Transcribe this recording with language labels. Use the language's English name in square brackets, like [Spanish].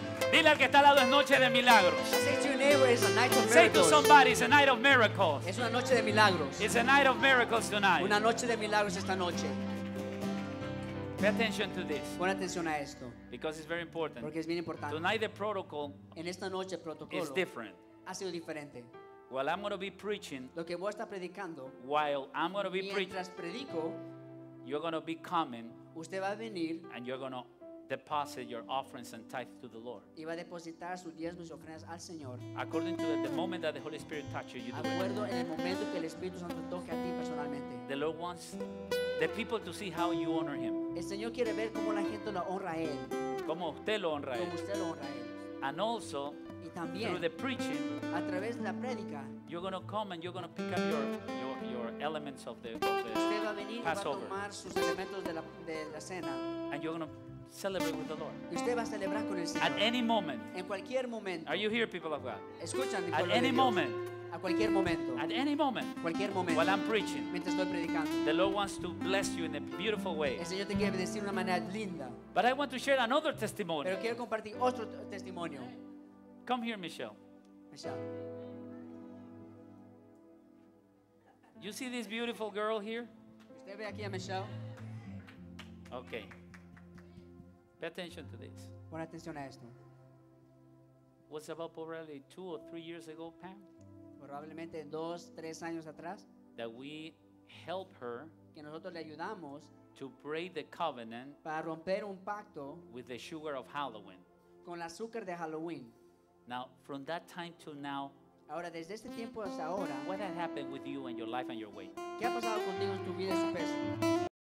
[Spanish] Dile al que está al lado, es noche de milagros. [English] Say to your neighbor, it's a night of miracles. Say to somebody, it's a night of miracles. [Spanish] Es una noche de milagros. [English] It's a night of miracles tonight. [Spanish] Una noche de milagros esta noche. [English] Pay attention to this. [Spanish] Pon atención a esto. [English] Because it's very important. [Spanish] Porque es bien importante. [English] Tonight the protocol. [Spanish] En esta noche el protocolo. [English] Is different. [Spanish] Ha sido diferente. [English] While I'm going to be preaching. [Spanish] Lo que voy a estar predicando. [English] While I'm going to be [Spanish] preaching. Mientras predico. [English] You're going to be coming. [Spanish] Usted va a venir. [English] And you're going to deposit your offerings and tithe to the Lord. [Spanish] Iba a depositar sus diezmos y ofrendas al Señor. [English] According to the moment that the Holy Spirit touches you, you do it. [Spanish] En el momento que el Espíritu Santo toque a ti personalmente. [English] The Lord wants the people to see how you honor Him. [Spanish] El Señor quiere ver cómo la gente lo honra a él. Como usted lo honra a él. Como usted lo honra a él. [English] And also, [Spanish] y también, [English] through the preaching, [Spanish] a través de la prédica, [English] you're going to come and you're going to pick up your elements of the Passover. [Spanish] Va a tomar sus elementos de la cena. [English] And you're going to celebrate with the Lord. [Spanish] Usted va a celebrar con el Señor. [English] At any moment. [Spanish] En cualquier momento. [English] Are you here, people of God? [Spanish] Escuchan, [English] at any moment. [Spanish] A cualquier momento. [English] At any moment. [Spanish] Cualquier momento. [English] While I'm preaching. [Spanish] Mientras estoy predicando. [English] The Lord wants to bless you in a beautiful way. [Spanish] El Señor te quiere bendecir de una manera linda. [English] But I want to share another testimony. [Spanish] Pero quiero compartir otro testimonio. [English] Come here, Michelle. You see this beautiful girl here? [Spanish] Usted ve aquí a Michelle. [English] Okay. Pay attention to this. [Spanish] Pon atención a esto. [English] Was about probably 2 or 3 years ago, Pam. [Spanish] Probablemente 2, 3 años atrás. [English] That we help her. [Spanish] Que nosotros le ayudamos. [English] To break the covenant. [Spanish] Para romper un pacto. [English] With the sugar of Halloween. [Spanish] Con el azúcar de Halloween. [English] Now, from that time to now. [Spanish] Ahora desde este tiempo hasta ahora. [English] What has happened with you and your life and your way? [Spanish] ¿Qué ha pasado contigo en tu vida y su peso?